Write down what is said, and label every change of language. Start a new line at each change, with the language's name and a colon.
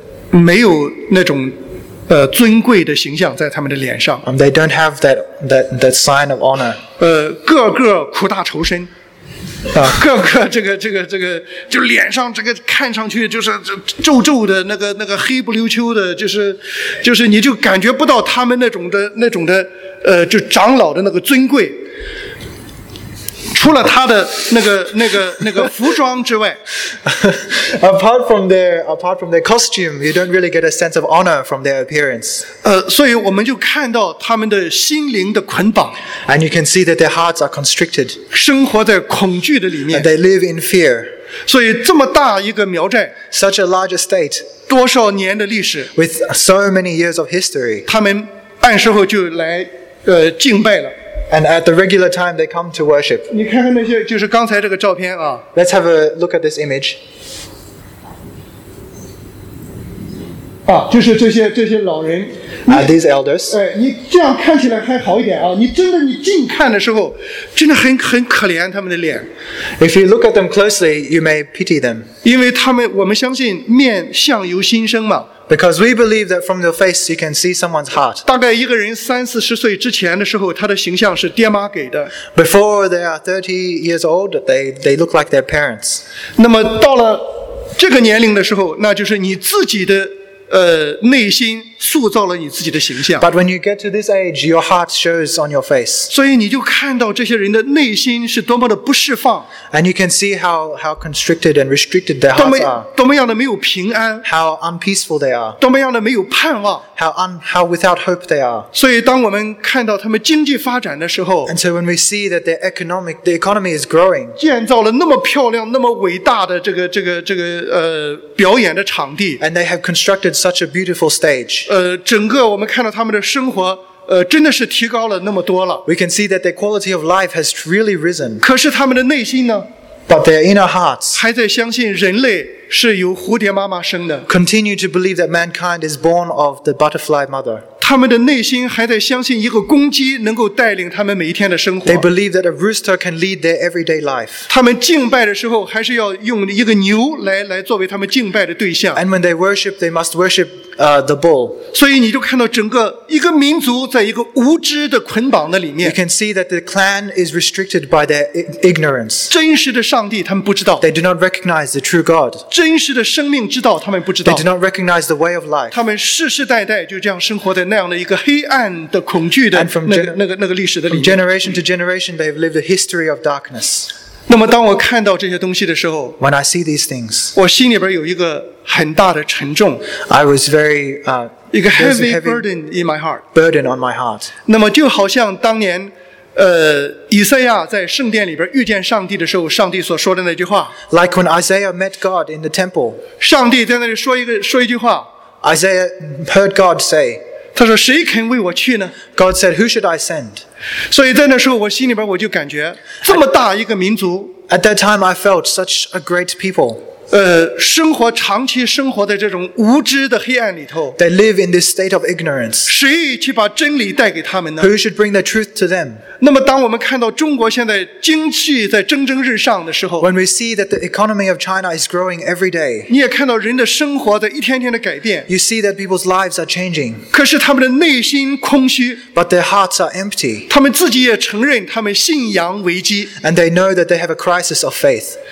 Chinese: 没有那种尊贵的形象在他们的脸上。
English: They don't have that sign of honor.
Chinese: 个个苦大仇深。个个这个就脸上这个看上去就是皱皱的那个黑不溜秋的就是你就感觉不到他们那种的就长老的那个尊贵。除了他的那个服装之外
English: apart from their costume, you don't really get a sense of honor from their appearance.
Chinese: 所以我们就看到他们的心灵的捆绑。
English: And you can see that their hearts are constricted.
Chinese: 生活在恐惧的里面。
English: And they live in fear.
Chinese: 所以这么大一个苗寨。
English: Such a large estate.
Chinese: 多少年的历史。
English: With so many years of history.
Chinese: 他们按时候就来敬拜了。
English: And at the regular time, they come to worship.
Chinese: 你看看那些，就是刚才这个照片啊。
English: Let's have a look at this image.
Chinese: 啊，就是这些老人。
English: These elders.
Chinese: 你这样看起来还好一点啊。你真的你近看的时候，真的很可怜他们的脸。
English: If you look at them closely, you may pity them.
Chinese: 因为他们，我们相信面相由心生嘛。
English: Because we believe that from their face you can see someone's heart.
Chinese: 大概一个人三四十岁之前的时候，他的形象是爹妈给的。
English: Before they are 30 years old, they look like their parents.
Chinese: 那么到了这个年龄的时候，那就是你自己的内心塑造了你自己的形象。
English: But when you get to this age, your heart shows on your face.
Chinese: 所以你就看到这些人的内心是多么的不释放。
English: And you can see how constricted and restricted their hearts are.
Chinese: 多么样的没有平安。
English: How unpeaceful they are.
Chinese: 多么样的没有盼望。
English: How without hope they are.
Chinese: 所以当我们看到他们经济发展的时候。
English: And so when we see that the economy is growing.
Chinese: 建造了那么漂亮、那么伟大的这个表演的场地。
English: And they have constructed such a beautiful stage.
Chinese: 整个我们看到他们的生活真的是提高了那么多了。
English: We can see that their quality of life has really risen.
Chinese: 可是他们的内心呢？
English: But their inner hearts
Chinese: 还在相信人类是由蝴蝶妈妈生的。
English: Continue to believe that mankind is born of the butterfly mother.
Chinese: 他们的内心还在相信一个公鸡能够带领他们每一天的生活。
English: They believe that a rooster can lead their everyday life.
Chinese: 他们敬拜的时候还是要用一个牛来作为他们敬拜的对象。
English: And when they worship, they must worship the bull.
Chinese: 所以你就看到整个一个民族在一个无知的捆绑的里面。
English: You can see that the clan is restricted by their ignorance.
Chinese: 真实的上帝他们不知道。
English: They do not recognize the true God.
Chinese: 真实的生命之道，他们不知道。
English: They do not recognize the way of life.
Chinese: 他们世世代代就这样生活在那样的一个黑暗的恐惧的那个历史的里面。
English: From generation to generation, they have lived a history of darkness.
Chinese: 那么，当我看到这些东西的时候
English: ，When I see these things,
Chinese: 我心里边有一个很大的沉重。
English: I was very heavy burden in my heart. Burden on my heart.
Chinese: 那么，就好像当年。以赛亚在圣殿里边遇见上帝的时候，上帝所说的那句话。
English: Like when Isaiah met God in the temple.
Chinese: 上帝在那里说一句话。
English: Isaiah heard God say.
Chinese: 他说谁肯为我去呢
English: ？God said, "Who should I send?"
Chinese: 所以在那时候，我心里边我就感觉这么大一个民族。
English: At that time, I felt such a great people.
Chinese: 生活长期生活在这种无知的黑暗里头。
English: They live in this state of ignorance.
Chinese: 谁去把真理带给他们呢
English: ？Who should bring the truth to them?
Chinese: 那么，当我们看到中国现在经济在蒸蒸日上的时候
English: ，When we see that the economy of China is growing every day，
Chinese: 你也看到人的生活在一天天的改变。
English: You see that people's lives are changing。
Chinese: 可是他们的内心空虚
English: ，But their hearts are empty。
Chinese: 他们自己也承认他们信仰危机
English: ，And they know that they have a crisis of faith。